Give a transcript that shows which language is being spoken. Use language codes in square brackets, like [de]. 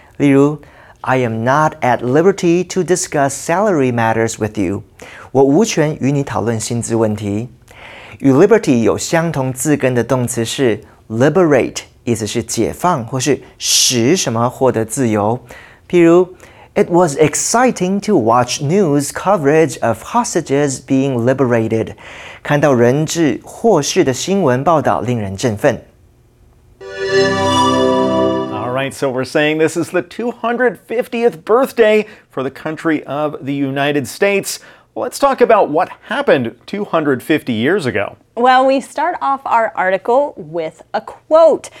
[zh] 例如 [en] ，I am not at liberty to discuss salary matters with you. [zh] 我无权与你讨论薪资问题。与 liberty 有相同字根的动词是 liberate。意思是解放或是使什么获得自由。譬如 [en] It was exciting to watch news coverage of hostages being liberated. [zh] 看到人质获释的新闻报道令人振奋。 [en] Alright, so we're saying this is the 250th birthday for the country of the United States. Let's talk about what happened 250 years ago. Well, we start off our article with a quote.